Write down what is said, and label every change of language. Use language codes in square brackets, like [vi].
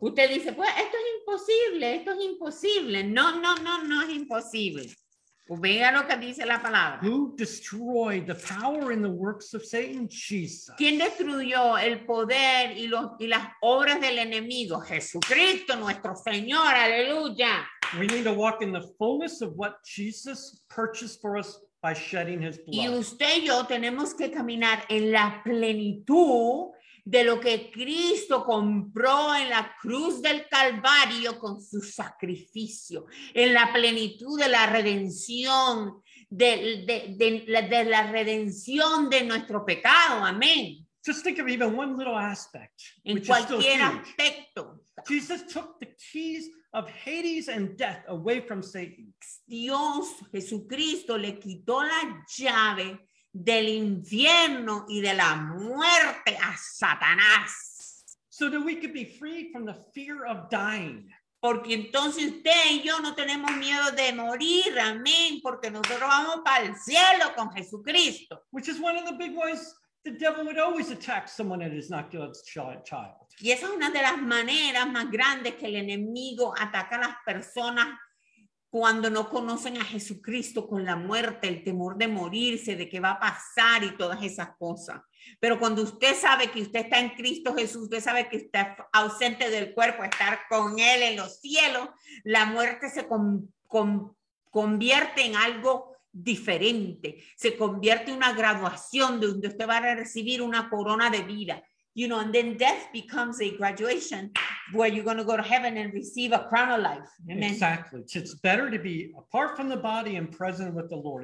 [es] Usted dice, pues esto es imposible, esto es imposible. No, no, no, no es imposible. Vea lo que dice la palabra. [en] Who destroyed the power and the works of Satan? Jesus. [es] ¿Quién destruyó el poder y, los, y las obras del enemigo? Jesucristo, nuestro Señor, aleluya. [en] We need to walk in the fullness of what Jesus purchased for us by shedding his blood. [es] Y usted y yo tenemos que caminar en la plenitud de lo que Cristo compró en la cruz del Calvario con su sacrificio, en la plenitud de la redención, de la redención de nuestro pecado. Amén. [en] Just think of even one little aspect. [es] En cualquier aspecto. [en] Jesus took the keys of Hades and death away from Satan. [es] Dios, Jesucristo, le quitó la llave del infierno y de la muerte a Satanás. [en] So that we could be free from the fear of dying. [es] Porque entonces usted y yo no tenemos miedo de morir, amén, porque nosotros vamos para el cielo con Jesucristo. [en] Which is one of the big ways the devil would always attack someone that is not God's child. [es] Y esa es una de las maneras más grandes que el enemigo ataca a las personas cuando no conocen a Jesucristo, con la muerte, el temor de morirse, de qué va a pasar y todas esas cosas. Pero cuando usted sabe que usted está en Cristo Jesús, usted sabe que está ausente del cuerpo, estar con Él en los cielos, la muerte se convierte en algo diferente. Se convierte en una graduación de donde usted va a recibir una corona de vida. [en] You know, and then death becomes a graduation where you're going to go to heaven and receive a crown of life. Amen. Exactly. It's better to be apart from the body and present with the Lord.